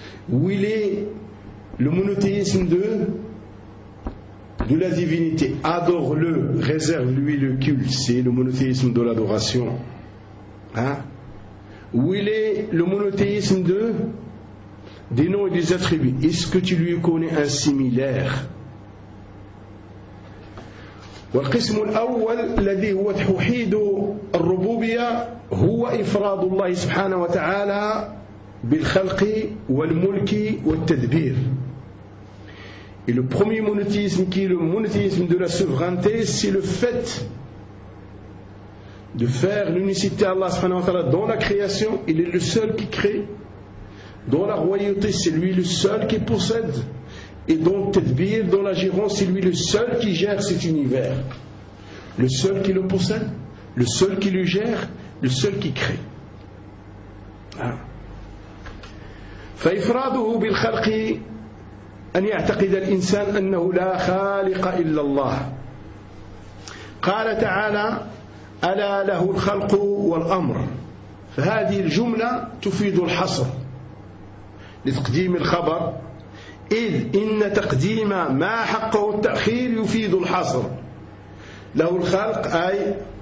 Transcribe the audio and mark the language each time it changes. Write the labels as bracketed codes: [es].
[fr] Oui, il est le monothéisme de la divinité, adore-le, réserve-lui le culte, c'est le monothéisme de l'adoration. Hein? Où il est le monothéisme des noms et des attributs, est-ce que tu lui connais un similaire? [ar] والقسم الأول الذي هو توحيد الربوبية هو إفراد الله سبحانه وتعالى بالخلق والملك والتدبير. [fr] Et le premier monothéisme qui est le monothéisme de la souveraineté, c'est le fait de faire l'unicité à Allah subhanahu wa ta'ala dans la création, il est le seul qui crée, dans la royauté, c'est lui le seul qui possède, et dans le tadbir, dans la gérance, c'est lui le seul qui gère cet univers, le seul qui le possède, le seul qui le gère, le seul qui crée. [ar] فَإِفْرَادُهُ بِالْخَلْقِ أن يعتقد الإنسان أنه لا خالق إلا الله قال تعالى ألا له الخلق والأمر فهذه الجملة تفيد الحصر لتقديم الخبر إذ إن تقديم ما حقه التأخير يفيد الحصر له الخلق أي